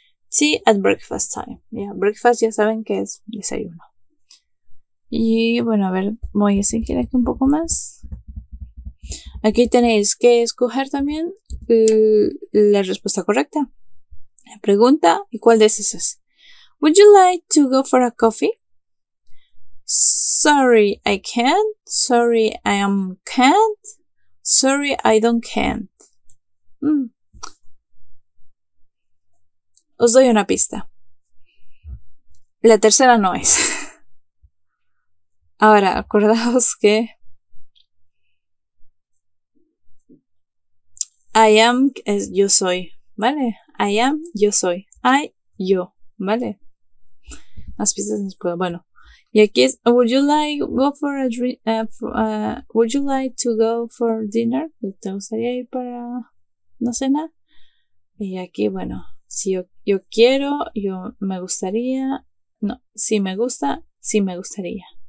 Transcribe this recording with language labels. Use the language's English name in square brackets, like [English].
[English] Tea at breakfast time. [Spanish] Yeah, breakfast ya saben que es desayuno. Y bueno, a ver, voy a seguir aquí un poco más. Aquí tenéis que escoger también la respuesta correcta. La pregunta, ¿y cuál de esas es? [English] Would you like to go for a coffee? Sorry, I can't. Sorry, I am can't. Sorry, I don't can't. [Spanish] Os doy una pista. La tercera no es. Ahora, acordaos que I am es yo soy, ¿vale? I am, yo soy. I, yo, ¿vale? Las pistas después, bueno. Y aquí es, [English] would you like to go for dinner? [Spanish] ¿Te gustaría ir para una cena? Y aquí, bueno, si yo quiero, yo me gustaría, no, si me gusta, sí me gustaría.